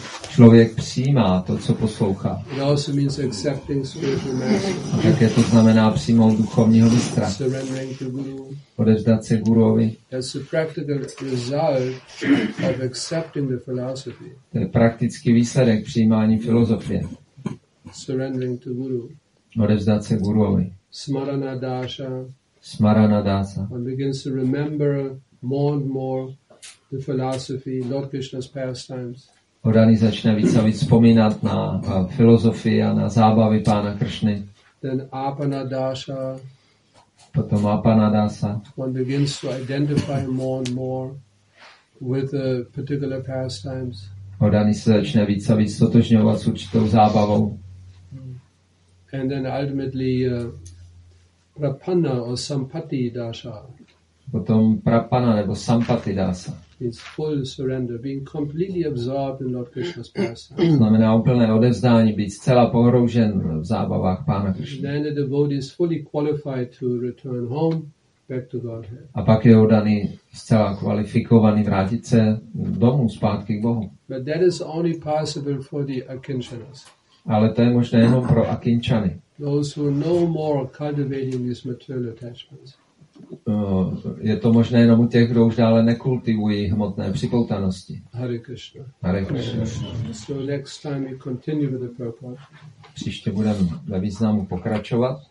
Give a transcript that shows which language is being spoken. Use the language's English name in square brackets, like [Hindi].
[Czech] Člověk přijímá to, co poslouchá. [English] It also means accepting spiritual master. [Czech] A také to znamená přijmout duchovního mistra. [English] Surrendering to guru. [Czech] Odevzdat se guruovi. [English] That's the practical result of accepting the philosophy. [Czech] To je praktický výsledek přijímání filozofie. [English] Surrendering to guru. [Czech] Odevzdat se guruovi. [English] Smaranadasa. One begins to remember more and more the philosophy, Lord Krishna's pastimes. [Czech] Odani začne víc a víc vzpomínat na filozofii a na zábavy pána Kršny. [English] Then apana dasa. [Czech] Potom apana dasa. [English] One begins to identify more and more with the particular pastimes. [Czech] Odani se začne víc a víc totožňovat s určitou zábavou. [English] And then ultimately prapanna or sampati dasa. [Czech] Potom prapanna nebo sampati dasa. [English] It's full surrender, being completely absorbed in Lord Krishna's pastime. [Czech] Znamená úplné odevzdání, být zcela pohroužen v zábavách pána Krishna. [English] Then the devotee is fully qualified to return home, back to Godhead. [Czech] A pak je odaný zcela kvalifikovaný vrátit se domů zpátky k Bohu. [English] But that is only possible for the akinchanas. [Czech] Ale to je možné jenom pro akinchany. [English] Those who no more cultivating these material attachments. [Czech] Je to možné jenom u těch, kdo už dále nekultivují hmotné připoutanosti. [English] Hare Krishna. [Czech] Hare Krishna. [English] So next time we continue with the purport. [Czech] Příště budeme ve významu pokračovat.